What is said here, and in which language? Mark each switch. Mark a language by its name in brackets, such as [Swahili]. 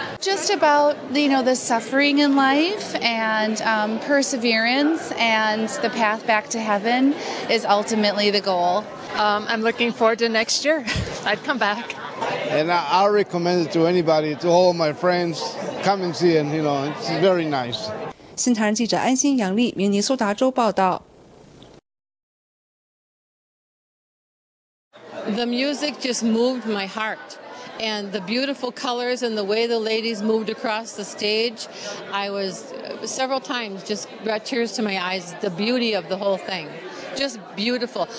[English] just about, you know, the suffering in life and perseverance, and the path back to heaven is ultimately the goal. I'm looking forward to next year. I'd come back. And I recommend it to anybody, to all my friends. Come and see it, you know, it's very nice. [Chinese] 新唐人记者安心杨丽，明尼苏达州报道。 [English] The music just moved my heart, and the beautiful colors and the way the ladies moved across the stage, I was several times just brought tears to my eyes. The beauty of the whole thing, just beautiful.